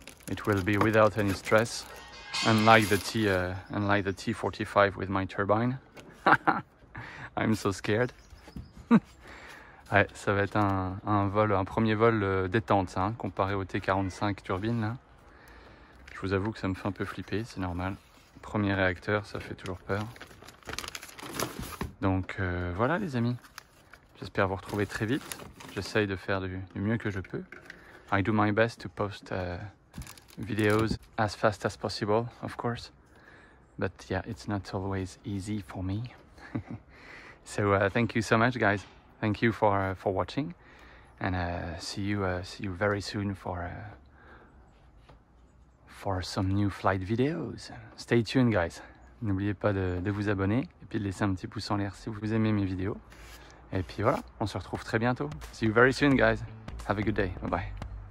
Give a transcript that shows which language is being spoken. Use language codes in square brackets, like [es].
[en] It will be without any stress, unlike the T45 with my turbine. I'm so scared. [fr] Ouais, ça va être un premier vol détente, hein, comparé au T45 turbine. Hein. Je vous avoue que ça me fait un peu flipper, c'est normal. Premier réacteur, ça fait toujours peur. Donc voilà les amis, j'espère vous retrouver très vite. J'essaye de faire du mieux que je peux. [en] I do my best to post videos as fast as possible, of course. But yeah, it's not always easy for me. So thank you so much, guys. Thank you for watching. And see you very soon for some new flight videos. Stay tuned, guys. [fr] N'oubliez pas de vous abonner et puis de laisser un petit pouce en l'air si vous aimez mes vidéos. Et puis voilà, on se retrouve très bientôt. [en] See you very soon, guys. Have a good day. Bye-bye.